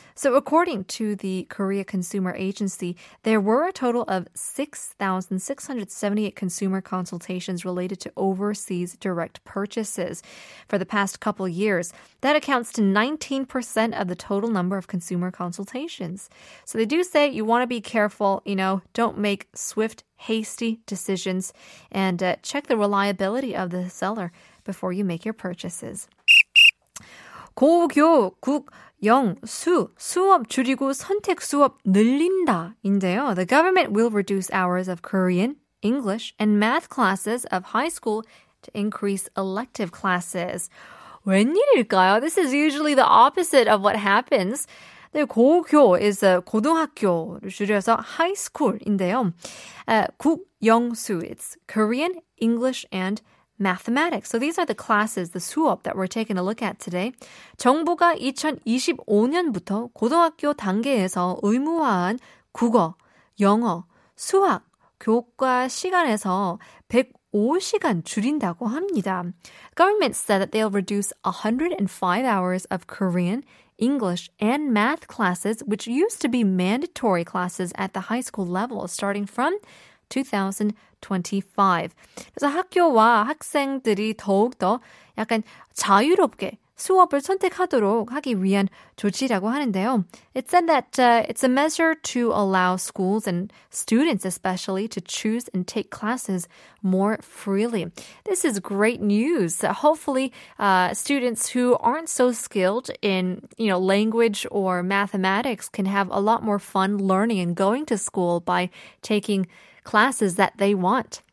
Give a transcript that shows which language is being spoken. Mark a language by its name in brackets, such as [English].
[English] So according to the Korea Consumer Agency, there were a total of 6,678 consumer consultations related to overseas direct purchases for the past couple years. That accounts to 19% of the total number of consumer consultations. So they do say you want to be careful, you know, don't make swift, hasty decisions and check the reliability of the seller before you make your purchases. [Korean] 고교국영수 수업 줄이고 선택 수업 늘린다인데요. [English] The government will reduce hours of Korean, English, and math classes of high school to increase elective classes. [Korean] 웬일일까요? [English] This is usually the opposite of what happens. [Korean] 네, 고교 is 고등학교를 줄여서 high school인데요. 국영수, [English] it's Korean, English, and Mathematics. So these are the classes, the 수업 that we're taking a look at today. [Korean] 정부가 2025년부터 고등학교 단계에서 의무화한 국어, 영어, 수학 교과 시간에서 105시간 줄인다고 합니다. [English] Government said that they'll reduce 105 hours of Korean, English, and math classes, which used to be mandatory classes at the high school level, starting from 2025. [Korean] 그래서 학교와 학생들이 더욱더 약간 자유롭게 수업을 선택하도록 하기 위한 조치라고 하는데요. [English] It said that it's a measure to allow schools and students especially to choose and take classes more freely. This is great news. Hopefully, students who aren't so skilled in, you know, language or mathematics can have a lot more fun learning and going to school by taking classes that they want.